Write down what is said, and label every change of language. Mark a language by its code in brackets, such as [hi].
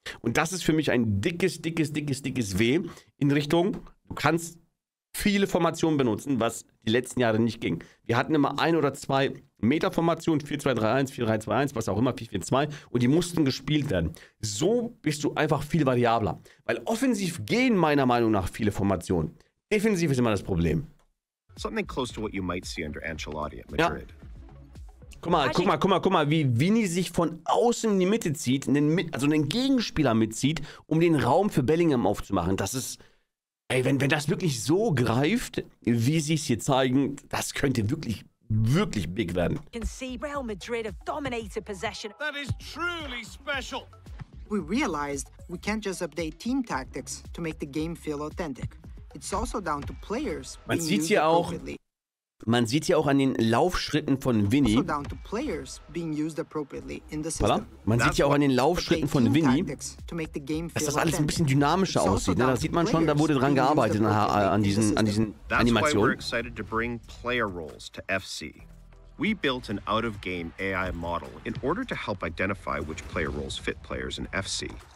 [de] Und das ist für mich ein dickes W in Richtung, du kannst viele Formationen benutzen, was die letzten Jahre nicht ging. Wir hatten immer ein oder zwei Meta-Formationen, 4-2-3-1, 4-3-2-1, was auch immer, 4-4-2, und die mussten gespielt werden. So bist du einfach viel variabler. Weil offensiv gehen meiner Meinung nach viele Formationen. Defensiv ist immer das Problem. [en] Something close to what you might see under Ancelotti at Madrid. Ja. [de] Guck mal, wie Vini sich von außen in die Mitte zieht, also einen Gegenspieler mitzieht, um den Raum für Bellingham aufzumachen. Das ist, ey, wenn das wirklich so greift, wie sie es hier zeigen, das könnte wirklich, wirklich big werden. [en] You can see Real Madrid have dominated possession. That is truly special. We realized we can't just update team tactics to make the game feel authentic. It's also down to players. [de] Man sieht hier auch, an den Laufschritten von Vini. Also [en] down to players being used appropriately in the system. [de] Voilà. Dass das alles ein bisschen dynamischer aussieht. Da sieht man schon, da wurde dran gearbeitet an diesen Animationen. [en] That's why we're excited to bring player roles to FC. We built an out-of-game AI model in order to help identify which player roles fit players in FC.